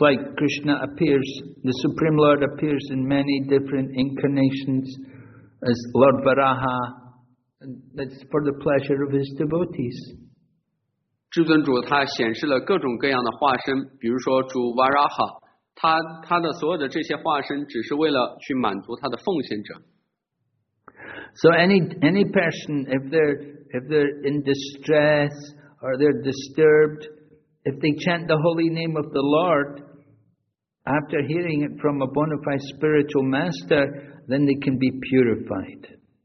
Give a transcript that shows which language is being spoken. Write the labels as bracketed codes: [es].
[en] like Krishna appears, the Supreme Lord appears in many different incarnations as Lord Varaha, and that's for the pleasure of his devotees. [zh] 至尊主他显示了各种各样的化身，比如说主Varaha，他的所有的这些化身只是为了去满足他的奉献者。 [en] So any person, if they're in distress or they're disturbed, if they chant the holy name of the Lord, after hearing it from a bona fide spiritual master, then they can be purified.